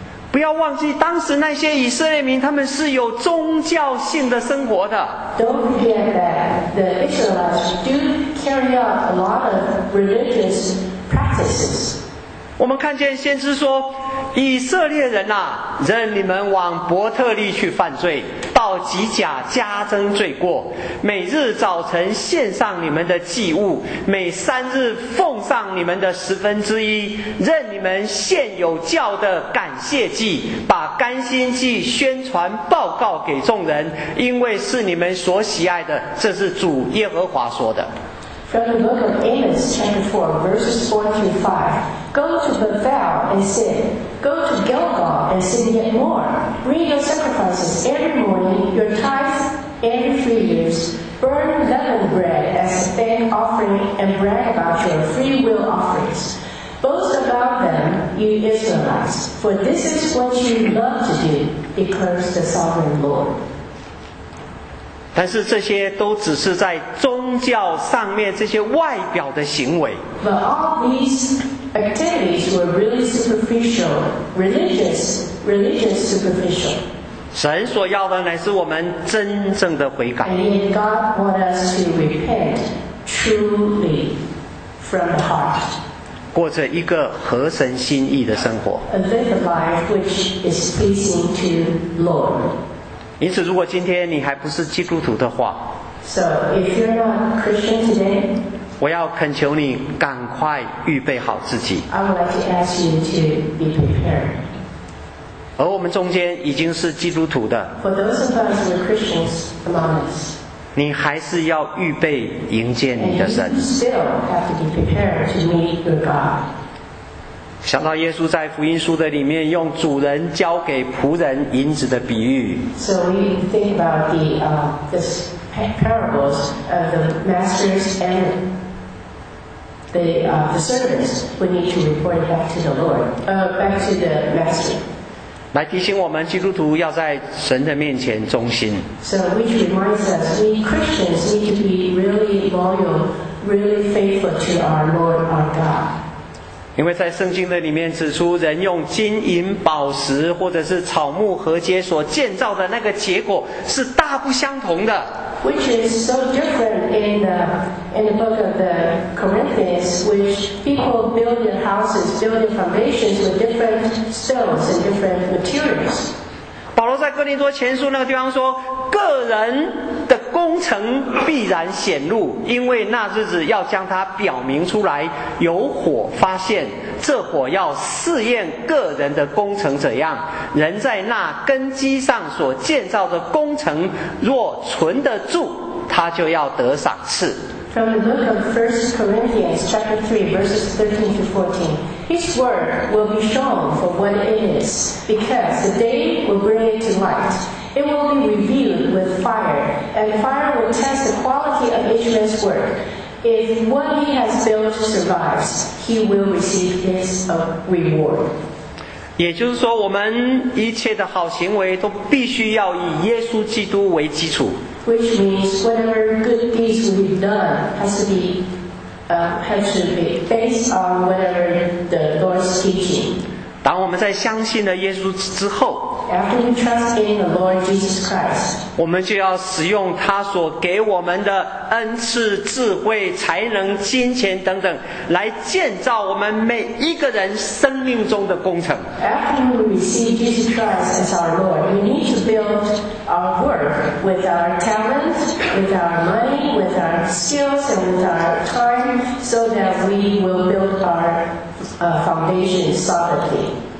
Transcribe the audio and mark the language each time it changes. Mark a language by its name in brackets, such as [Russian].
[Chinese] 不要忘记当时那些以色列民他们是有宗教性的生活的。 [English] Don't forget that the Israelites do carry out a lot of religious practices. [Chinese] 我们看见先知说，以色列人啊，任你们往伯特利去犯罪，到吉甲加增罪过，每日早晨献上你们的祭物，每三日奉上你们的十分之一，任你们献有教的感谢祭，把甘心祭宣传报告给众人，因为是你们所喜爱的，这是主耶和华说的。 [English] From the book of Amos, chapter 4, verses 4 through 5. Go to Bethel and sin. Go to Gilgal and sin yet more. Bring your sacrifices every morning, your tithes every 3 years. Burn leavened bread as a thank offering and brag about your free will offerings. Boast about them, you Israelites, for this is what you love to do, declares the Sovereign Lord. [Chinese] 但是这些都只是在宗教上面这些外表的行为。 [English] But all these activities were really superficial, religious superficial. [Chinese] 神所要的乃是我们真正的悔改。 [English] And yet God wants us to repent truly from the heart. [Chinese] 过着一个合神心意的生活。 [English] A live a life which is pleasing to the Lord. [Chinese] 因此，如果今天你还不是基督徒的话， [English] So, if you're not Christian today, [Chinese] 我要恳求你赶快预备好自己。 [English] I would like to ask you to be prepared. [Chinese] 而我们中间已经是基督徒的。 [English] For those of us who are Christians among us. [Chinese] 你还是要预备迎接你的神。 [English] And you still have to be prepared to meet your God. [Chinese] 想到耶稣在福音书的里面用主人交给仆人银子的比喻。 [English] So we think about the parables of the masters and the servants. We need to report back to the Lord, back to the master. [Chinese] 来提醒我们基督徒要在神的面前忠心。 [English] So which reminds us, we Christians need to be really loyal, really faithful to our Lord, our God. [Chinese] 因为在圣经的里面指出人用金银宝石或者是草木禾秸所建造的那个结果是大不相同的。 [English] Which is so different in the book of the Corinthians, which people build their houses, build their foundations with different stones and different materials. [Chinese] 保罗在哥林多前书那个地方说个人的工程必然显露，因为那日子要将它表明出来，有火发现，这火要试验个人的工程怎样。人在那根基上所建造的工程若存得住，他就要得赏赐。 [English] From the book of 1 Corinthians chapter 3 verses 13 to 14, His word will be shown for what it is, because the day will bring it to light. It will be revealed with fire, and fire will test the quality of each man's work. If what he has built survives, he will receive his reward. [Chinese] 也就是说，我们一切的好行为都必须要以耶稣基督为基础。 [English] Which means whatever good deeds we've done has to be based on whatever the Lord's teaching. [Chinese] 当我们在相信了耶稣之后 [English] After you trust in the Lord Jesus Christ, [Chinese] 我们就要使用他所给我们的恩赐、智慧、才能、金钱等等来建造我们每一个人生命中的工程。 [English] After you receive Jesus Christ as our Lord, we need to build our work with our talent, with our money, with our skills, and with our time, so that we will build ourfoundation solidly.